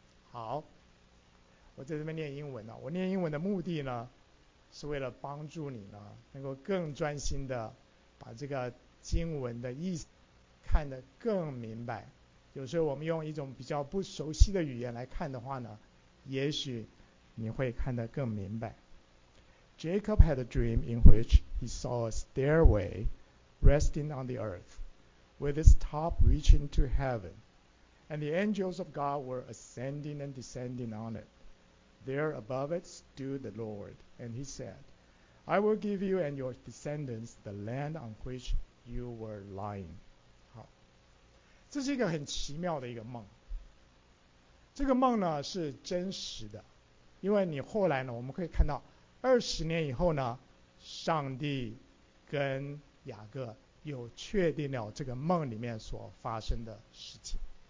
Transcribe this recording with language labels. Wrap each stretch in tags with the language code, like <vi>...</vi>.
<zh>好，我在这边念英文呢，我念英文的目的呢，是为了帮助你呢能够更专心的把这个经文的意思看得更明白。有时候我们用一种比较不熟悉的语言来看的话呢，也许你会看得更明白。</zh> <en>Jacob had a dream in which he saw a stairway resting on the earth with its top reaching to heaven, and the angels of God were ascending and descending on it. There above it stood the Lord, and he said, I will give you and your descendants the land on which you were lying.</en> <zh>好，这是一个很奇妙的一个梦。这个梦呢是真实的，因为你后来呢，我们可以看到20年以后呢，上帝跟雅各有确定了这个梦里面所发生的事情。</zh>